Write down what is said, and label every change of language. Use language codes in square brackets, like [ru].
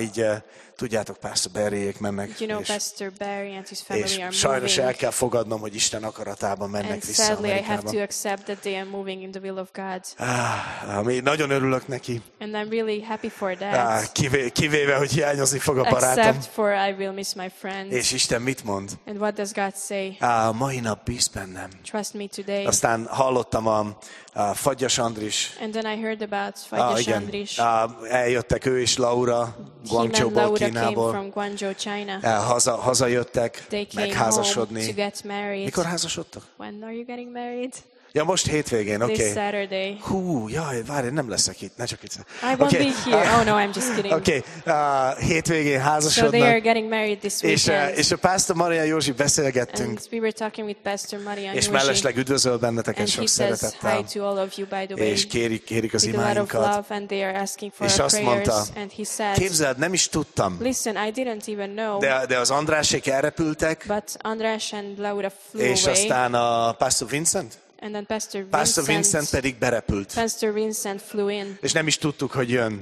[hu] Így tudjátok, Pastor Barry-ék mennek, [en] you know, Pastor Barry and his family [hu] és [en] are moving. [hu] Sajnos el kell fogadnom, hogy Isten akaratában mennek [en] and [hu] vissza [en] sadly, [hu] Amerikába. [en] I have to accept that they are moving in the will of God. [hu] Nagyon örülök neki. [en] And I'm really happy for that. [hu] Kivéve, hogy hiányozni fog a barátom. [en] Except for I will miss my friend. [hu] És Isten mit mond? [en] And what does God say? [hu] Mai nap bízz bennem. [en] Trust me today. [hu] Aztán hallottam a Fagyas Andris. [en] And then I heard about Fagyas Andris. [hu] Eljöttek ő és Laura Guangzhou-ból, [en] Laura [hu] Kínából. [en] Came from Guangzhou, China. [hu] Hazajöttek megházasodni. [en] To get married. [hu] Mikor házasodtak? [en] When are you getting married? [hu] Ja, most hétvégén, oké. [en] Okay. This Saturday. [hu] Hú, jaj, várj, nem leszek itt, ne csak itt. [en] I won't okay. be here. Oh no, I'm just kidding. [hu] Oké, okay. Hétvégén házasodnak. [en] So they are getting married this weekend. [hu] És a Pastor Marian Józsi beszélgettünk. [en] And we were talking with Pastor Marian Józsi. [hu] És mellesleg üdvözöl benneteket sok szeretettel. [en] And he says hi to all of you, by the way. [hu] És kérik az imáinkat. [en] With a lot of love, and they are asking for [hu] és [en] our prayers. [hu] Mondta, [en] and he says, [hu] képzeld, nem is tudtam. [en] Listen, I didn't even know. [hu] De az Andrásék elrepültek. [en] But András and Laura flew away. [hu] És aztán a Pastor Vincent. [en] And then Pastor Vincent, [hu] pedig berepült. [en] Pastor Vincent flew in. [hu] És nem is tudtuk, hogy jön.